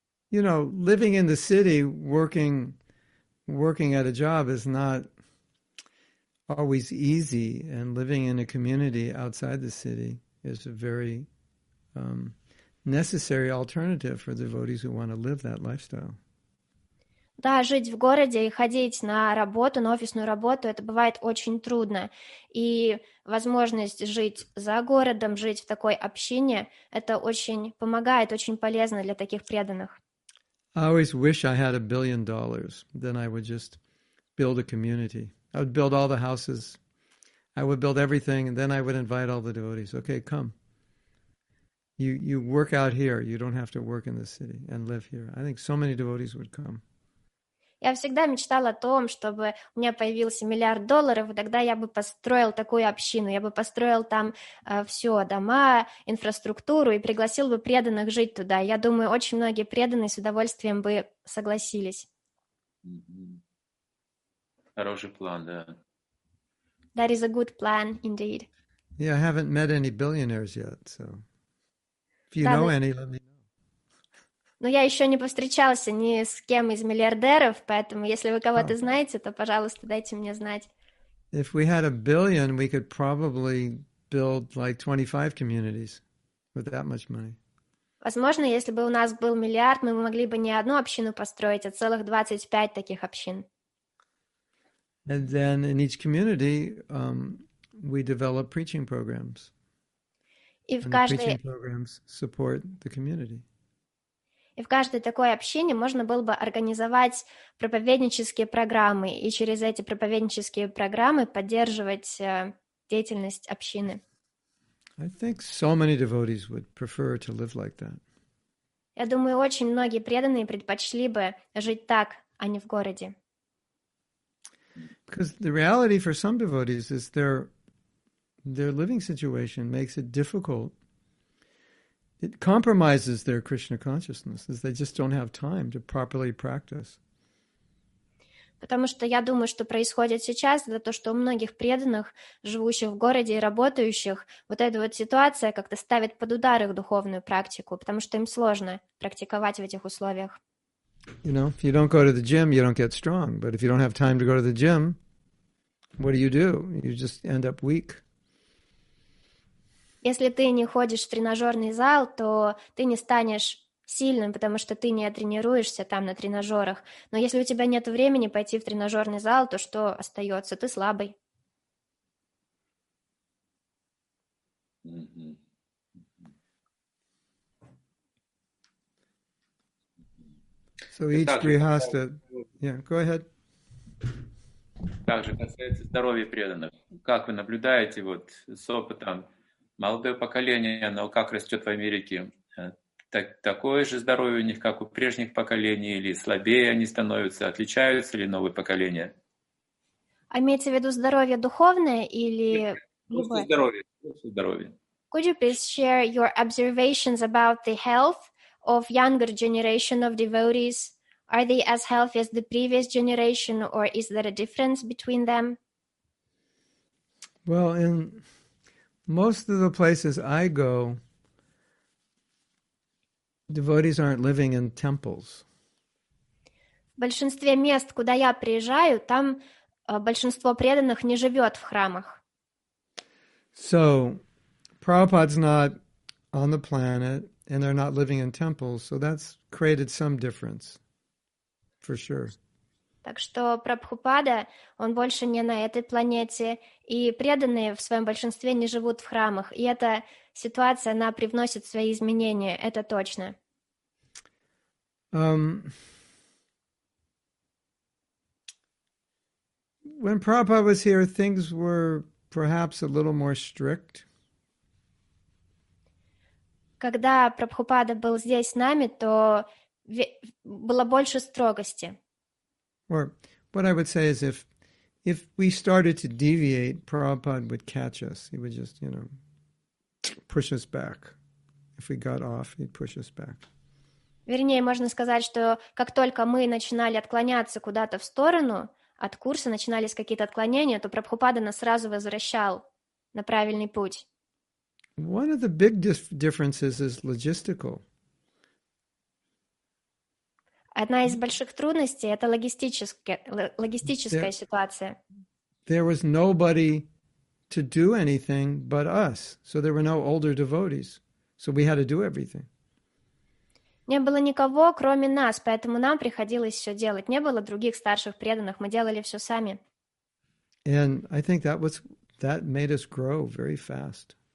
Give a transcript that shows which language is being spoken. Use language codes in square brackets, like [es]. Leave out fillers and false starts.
[en] You know, living in the city, working at a job is not always easy, and living in a community outside the city is a very necessary alternative for devotees who want to live that lifestyle. [ru] Да, жить в городе и ходить на работу, на офисную работу, это бывает очень трудно. И возможность жить за городом, жить в такой общине, это очень помогает, очень полезно для таких преданных. [en] I always wish I had $1 billion. Then I would just build a community. I would build all the houses. I would build everything, and then I would invite all the devotees. Okay, come. You work out here. You don't have to work in the city and live here. I think so many devotees would come. [ru] Я всегда мечтала о том, чтобы у меня появился $1 миллиард, и тогда я бы построил такую общину, я бы построил там все, дома, инфраструктуру, и пригласил бы преданных жить туда. Я думаю, очень многие преданные с удовольствием бы согласились. Хороший план, да. [en] That is a good plan, indeed. Yeah, I haven't met any billionaires yet, so if you know any, let me know. [ru] Но я еще не повстречался ни с кем из миллиардеров, поэтому если вы кого-то знаете, то, пожалуйста, дайте мне знать. [en] If we had a billion, we could probably build like 25 communities with that much money. [ru] Возможно, если бы у нас был миллиард, мы могли бы не одну общину построить, а целых 25 таких общин. [en] And then in each community, we develop preaching programs. [ru] И в каждой... [en] And the preaching programs support the community. [ru] И в каждой такой общине можно было бы организовать проповеднические программы и через эти проповеднические программы поддерживать деятельность общины. [en] I think so many devotees would prefer to live like that. [ru] Я думаю, очень многие преданные предпочли бы жить так, а не в городе. [en] Because the reality for some devotees is their living situation makes it difficult. It compromises their Krishna consciousness, as they just don't have time to properly practice. [ru] Потому что я думаю, что происходит сейчас, это то, что у многих преданных, живущих в городе и работающих, вот эта вот ситуация как-то ставит под удар их духовную практику, потому что им сложно практиковать в этих условиях. [en] You know, if you don't go to the gym, you don't get strong. But if you don't have time to go to the gym, what do? You just end up weak. [ru] Если ты не ходишь в тренажерный зал, то ты не станешь сильным, потому что ты не тренируешься там на тренажерах. Но если у тебя нет времени пойти в тренажерный зал, то что остается? Ты слабый. [en] So each grihastha... Yeah, go ahead. [ru] Также касается здоровья преданных. Как вы наблюдаете вот с опытом молодое поколение, оно как растет в Америке? Такое же здоровье у них, как у прежних поколений, или слабее они становятся? Отличаются ли новые поколения? А имеется в виду здоровье духовное или... Здоровье. [en] Could you please share your observations about the health of younger generation of devotees? Are they as healthy as the previous generation, or is there a difference between them? Well, in... most of the places I go, devotees aren't living in temples. [ru] В большинстве мест, куда я приезжаю, там большинство преданных не живет в храмах. [en] So, Prabhupada's not on the planet, and they're not living in temples, so that's created some difference, for sure. [ru] Так что Прабхупада, он больше не на этой планете, и преданные в своем большинстве не живут в храмах. И эта ситуация, она привносит свои изменения, это точно. [en] When Prabhupada was here, things were perhaps a little more strict. [ru] когда Прабхупада был здесь с нами, то было больше строгости. [en] Or what I would say is if we started to deviate, Prabhupada would catch us. He would just, you know, push us back. If we got off, he'd push us back. [ru] Вернее, можно сказать, что как только мы начинали отклоняться куда-то в сторону от курса, начинались какие-то отклонения, то Прабхупада нас сразу возвращал на правильный путь. [en] One of the big differences is logistical. [ru] Одна из больших трудностей – это логистическая ситуация. [en] There was nobody to do anything but us, so there were no older devotees, so we had to do everything. [ru] Не было никого, кроме нас, поэтому нам приходилось все делать. Не было других старших преданных, мы делали все сами. [en] And I think that made us grow very fast.